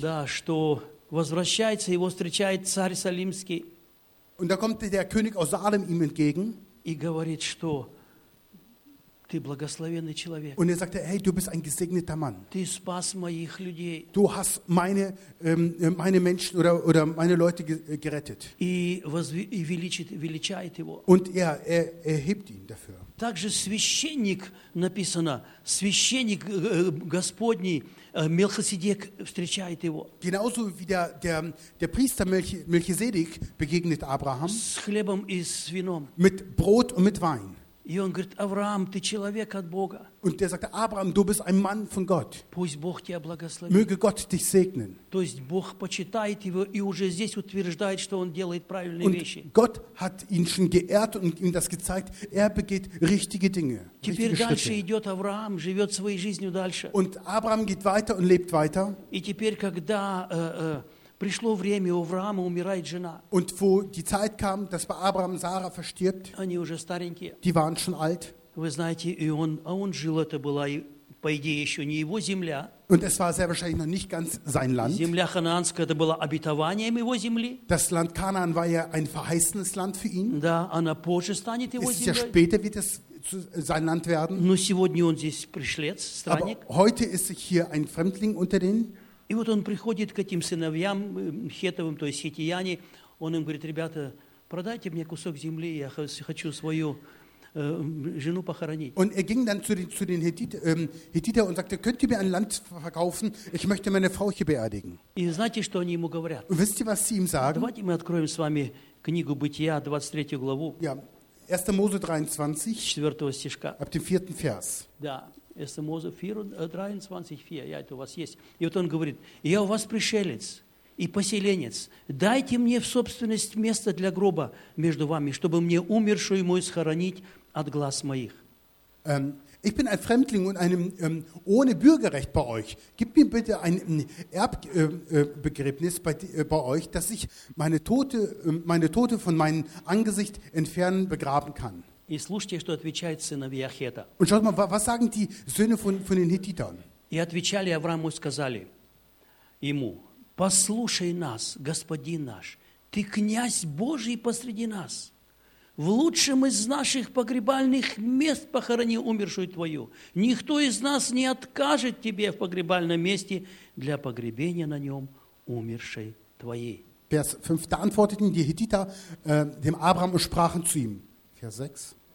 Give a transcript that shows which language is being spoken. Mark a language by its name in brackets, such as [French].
[Russian] Да, что возвращается, его встречает царь Салимский. [German] Und da kommt der König aus Salem ihm entgegen. [Russian] И говорит, что ты благословенный человек. [German] Und er sagte, hey, du bist ein gesegneter Mann. [Russian] Ты спас моих людей. [German] Du hast meine Menschen oder meine Leute gerettet. [Russian] И величает его. [German] Und er erhebt ihn dafür. [Russian] Также священник написано, священник Господний Мелхиседек встречает его. [German] Genauso wie der Priester Melchisedek begegnet Abraham. [Russian] С хлебом и с вином. [German] Mit Brot und mit Wein. [Russian] И он говорит, Авраам, ты человек от Бога. [German] Und er sagte, Abraham, du bist ein Mann von Gott. [Russian] Пусть Бог тебя благословит. [German] Möge Gott dich segnen. [Russian] То есть Бог почитает его и уже здесь утверждает, что он делает правильные вещи. [German] Und Gott hat ihn schon geehrt und ihm das gezeigt. Er begeht richtige Dinge. [Russian] Теперь дальше идет Авраам, живет своей жизнью дальше. [German] Und Abraham geht weiter und lebt weiter. [Russian] И теперь, когда пришло время, у Авраама умирает жена. [German] Und wo die Zeit kam, dass bei Abraham Sarah verstirbt. [Russian] Они уже старенькие. [German] Die waren schon alt. [Russian] Вы знаете, и он, а он жил, это была, по идее, еще не его земля. [German] Und es war sehr wahrscheinlich noch nicht ganz sein Land. [Russian] Земля Ханаанская, это было обетованием его земли. [German] Das Land Kanaan war ja ein verheißenes Land für ihn. [Russian] Да, она позже станет его землей. [German] Es ist ja später, wird es sein Land werden. [Russian] Но сегодня он здесь пришлец, странник. [German] Aber heute ist hier ein Fremdling unter denen. [Russian] И вот он приходит к этим сыновьям хетовым, то есть хетияне, он им говорит, ребята, продайте мне кусок земли, я хочу свою жену похоронить. [German] Und er ging dann zu den Hethiter und sagte, könnt ihr mir ein Land verkaufen? Ich möchte meine Frau hier beerdigen. [Russian] И знаете, что они ему говорят? [German] Wisst ihr, was sie ihm sagen? [Russian] Давайте мы откроем с вами книгу Бытия, 23 главу. [German] Ja, 1. Mose 23, [Russian] 4. стишка. [German] Ab dem 4. Vers. [Russian] Да. Это Мозе 23, 4, я это у вас есть. И вот он говорит, я у вас пришелец, и поселенец, дайте мне в собственность место для гроба между вами, чтобы мне умершую мою схоронить от глаз моих. [German] Ich bin ein Fremdling und einem ohne Bürgerrecht bei euch. Gib mir bitte ein Erbbegräbnis bei euch, dass ich meine Tote von meinem Angesicht entfernen begraben kann. [Russian] И слушайте, что отвечают сыновья Ахета. [German] Und schaut mal, was sagen die Söhne von den Hittitern? [Russian] И отвечали Аврааму, сказали ему: Послушай нас, Господин наш, ты князь Божий посреди нас. В лучшем из наших погребальных мест похорони умершую твою. Никто из нас не откажет тебе в погребальном месте для погребения на нем умершей твоей. [German] Vers 5, da antworteten die Hittiter dem Abraham und sprachen zu ihm. Vers 6.